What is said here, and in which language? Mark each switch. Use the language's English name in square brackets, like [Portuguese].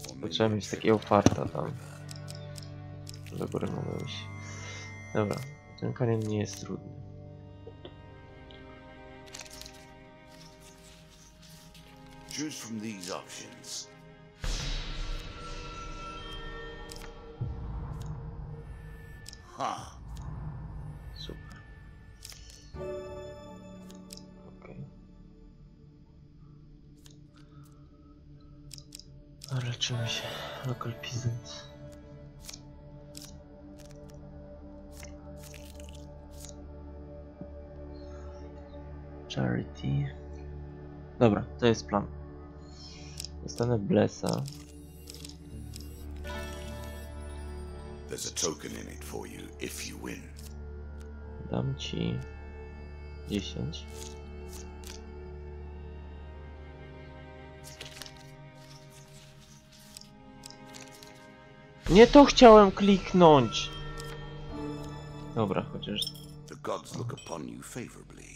[Polish] Trzeba mieć takiego farta tam. Do góry mogę iść. Dobra, ten kanion nie jest trudny. [English] Choose from these options. [Polish] Ha. Super. Okej. Okay. Leczymy się. [English] Local peasants. [Polish] Charity. Dobra, to jest plan. Dostanę blessa. [English] There's a token in it for you if you win. [Polish] Dam ci 10. Nie to chciałem kliknąć. Dobra, chociaż. [English] The gods look upon you favorably.